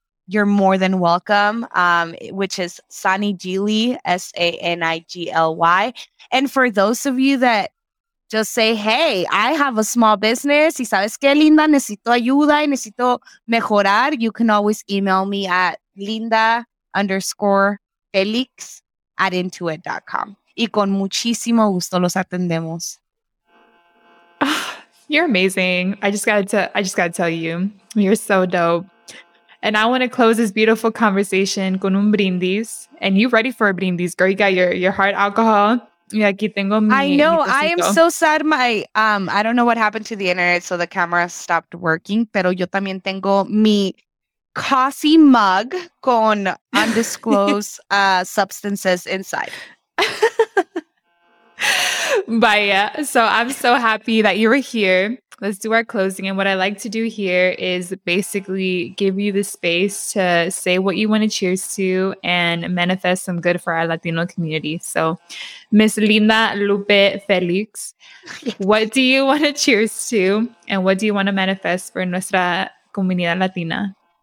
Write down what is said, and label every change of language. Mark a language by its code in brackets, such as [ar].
[en] You're more than welcome. Which is Sani Gilly, SANIGLY. And for those of you that just say, hey, I have a small business. [es] Y sabes que, Linda, necesito ayuda y necesito mejorar. [en] You can always email me at linda_felix@intuit.com. [es] Y con muchísimo gusto los atendemos. [en] Oh, you're amazing. I just got to tell you, you're so dope. And I want to close this beautiful conversation [es] con un brindis. [en] And you ready for a brindis, girl? You got your heart alcohol. Yeah, [es] aquí tengo [en] I am so sad. My I don't know what happened to the internet, so the camera stopped working. [es] Pero yo también tengo mi [en] coffee mug [es] con [en] undisclosed substances inside. But yeah, so I'm so happy that you were here. Let's do our closing. And what I like to do here is basically give you the space to say what you want to cheers to and manifest some good for our Latino community. So, Miss Linda Lupe Felix, what do you want to cheers to and what do you want to manifest for [es] nuestra comunidad Latina?